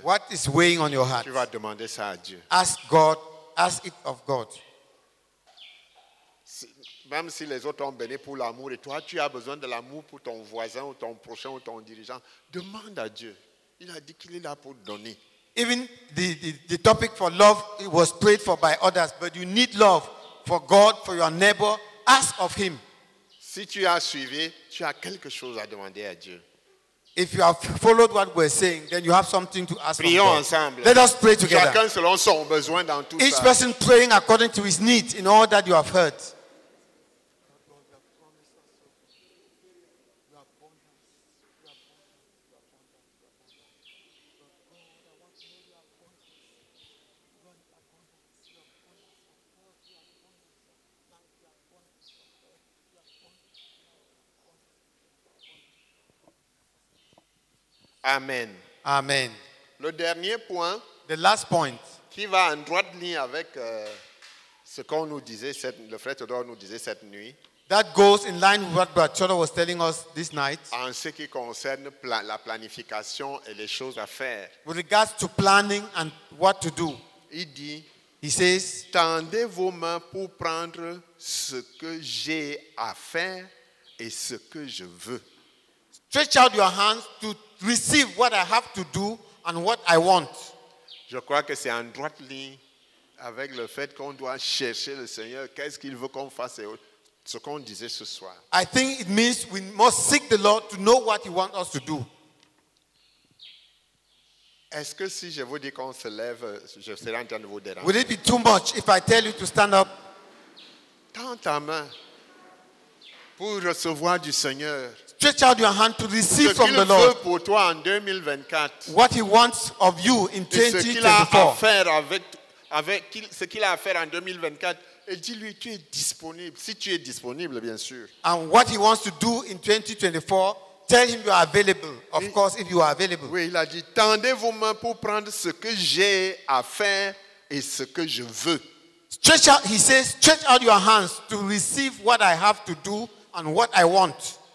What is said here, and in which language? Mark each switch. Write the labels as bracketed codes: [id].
[en] What is weighing on your heart? [fr] Tu vas demander ça à Dieu. [en] Ask God. Ask it of God. [fr] Même si les autres ont béni pour l'amour et toi, tu as besoin de l'amour pour ton voisin ou ton prochain ou ton dirigeant. Demande à Dieu. Il a dit qu'il est là pour donner. [en] Even the topic for love it was prayed for by others, but you need love for God, for your neighbor. Ask of him. [fr] Si tu as suivi, tu as quelque chose à demander à Dieu. [en] If you have followed what we're saying, then you have something to ask [fr] prions [en] from God. [fr] Ensemble. [en] Let us pray together. [fr] Chacun selon son besoin dans tout [en] each [fr] ça. [en] Person praying according to his needs in all that you have heard. Amen. Amen. [fr] Le dernier point, [en] the last point, [fr] qui va en droite ligne avec ce qu'on nous disait cette, le frère Théodore nous disait cette nuit. [en] That goes in line with what Brother Théodore was telling us this night. [fr] En ce qui concerne la planification et les choses à faire. [en] With regards to planning and what to do. [fr] Il dit, [en] he says, [fr] tendez vos mains pour prendre ce que j'ai à faire et ce que je veux. [en] Stretch out your hands to receive what I have to do and what I want. [fr] Je crois que c'est en droite ligne avec le fait qu'on doit chercher le Seigneur. Qu'est-ce qu'il veut qu'on fasse? Ce qu'on disait ce soir. [en] I think it means we must seek the Lord to know what he wants us to do. [fr] Est-ce que si je vous dis qu'on se lève, je serai en train de vous déranger? [en] Would it be too much if I tell you to stand up? [fr] Tends ta main pour recevoir du Seigneur. [en] Stretch out your hand to receive from the Lord. [fr] Ce qu'il veut pour toi en 2024. [en] What he wants of you in 2024. [fr] Ce qu'il a à faire avec ce qu'il a à faire en 2024. Et dis-lui, tu es disponible. Si tu es disponible, bien sûr. [en] And what he wants to do in 2024, tell him you are available. Of course, if you are available. [fr] Oui, il a dit, tendez vos mains pour prendre ce que j'ai à faire et ce que je veux. [en] Stretch out, he says, stretch out your hands to receive what I have to do and what I want.